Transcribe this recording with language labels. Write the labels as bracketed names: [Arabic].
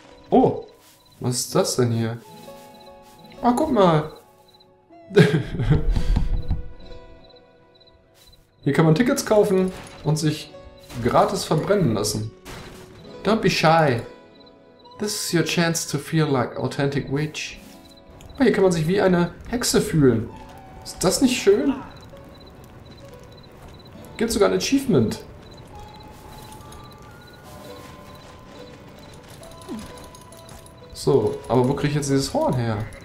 [German] Oh, was ist das denn hier? Ah, guck mal. Hier kann man Tickets kaufen und sich gratis verbrennen lassen. [English] Don't be shy. This is your chance to feel like authentic witch. [German] Oh, hier kann man sich wie eine Hexe fühlen. Ist das nicht schön? Gibt sogar ein Achievement. So, aber wo kriege ich jetzt dieses Horn her?